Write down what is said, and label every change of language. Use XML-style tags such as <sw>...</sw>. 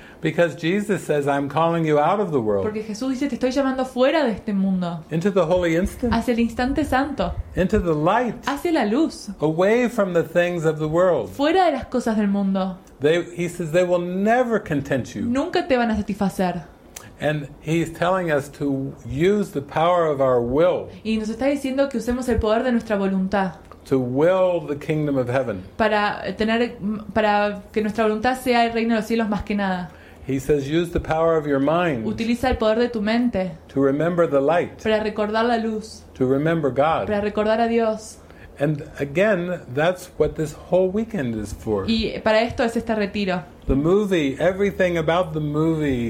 <en>Because Jesus says, "I'm calling you out of the world."</en> <es>Porque Jesús dice, te estoy llamando fuera de este mundo.</es> <en>Into the holy instant.</en> <es>Hacia el instante santo.</es> <en>Into the light.</en> <es>Hacia la luz.</es> <en>Away from the things of the world.</en> <es>Fuera de las cosas del mundo.</es> <en>He says, "They will never content you."</en> <es>Nunca te van a satisfacer.</es> <en>And he's telling us to use the power of our will.</en> <es>Y nos está diciendo que usemos el poder de nuestra voluntad.</es> <en>To will the kingdom of heaven.</en> <es>Para que nuestra voluntad sea el reino de los cielos más que nada.</es> <en>He says, use the power of your mind.</en> <es>Utiliza el poder de tu mente.</es> <en>To remember the light.</en> <es>Para recordar la luz.</es> <en>To remember God.</en> <es>Para recordar a Dios.</es> <en>And again, that's what this whole weekend is for.</en> <es>Y para esto es este retiro.</es> <en>The movie, everything about the movie.</en>